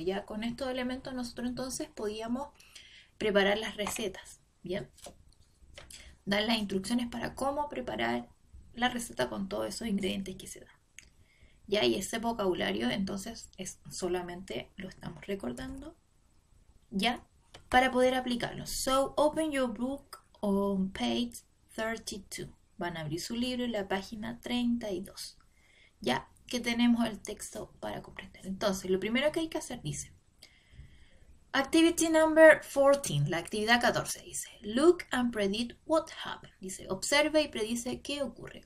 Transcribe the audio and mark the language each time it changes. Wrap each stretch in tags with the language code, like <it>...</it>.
<es>Ya con estos elementos nosotros entonces podíamos preparar las recetas. Bien. Dar las instrucciones para cómo preparar la receta con todos esos ingredientes que se dan. Ya, y ese vocabulario entonces es solamente lo estamos recordando. Ya, para poder aplicarlo.</es> <en>So, open your book on page 32.</en> <es>Van a abrir su libro en la página 32. Ya. Que tenemos el texto para comprender. Entonces, lo primero que hay que hacer dice:</es> <en>Activity number 14,</en> <es>la actividad 14 dice:</es> <en>Look and predict what happened.</en> <es>Dice: Observe y predice qué ocurre.</es>